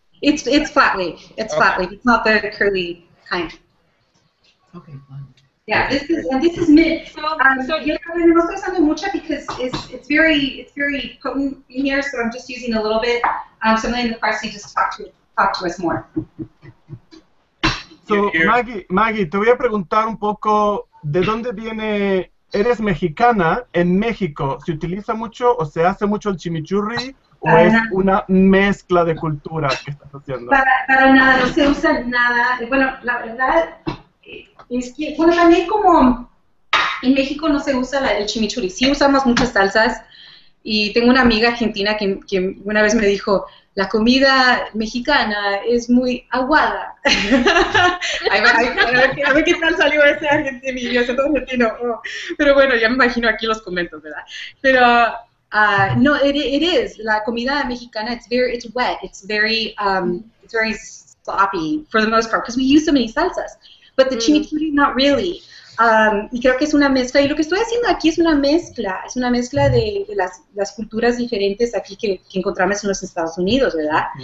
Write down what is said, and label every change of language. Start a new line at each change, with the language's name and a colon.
English: It's flat leaf. It's not the curly kind. Okay, fine. Yeah, this is mint. So yeah, I'm also using mucha because it's very potent in here. So I'm just using a little bit. Something the parsley just talked to us more.
Spanish: So Maggie, te voy a preguntar un poco de dónde viene. Eres mexicana, en México, ¿se utiliza mucho o se hace mucho el chimichurri o es una mezcla de culturas que estás haciendo? Para nada, no se usa nada. Bueno, la verdad es que, bueno, también como en México no se usa el chimichurri. Sí usamos muchas salsas y tengo una amiga argentina que una vez me dijo, la comida mexicana es muy aguada. a ver qué tal salió ese argentino. Pero bueno, ya me imagino aquí los comentarios, ¿verdad? Pero no,
English: it is.
Spanish: La comida mexicana,
English: it's wet. It's very sloppy for the most part because we use so many salsas. But the chimichurri, not really.
Spanish: Y creo que es una mezcla. Y lo que estoy haciendo aquí es una mezcla. Es una mezcla de las culturas diferentes aquí que encontramos en los Estados Unidos, ¿verdad?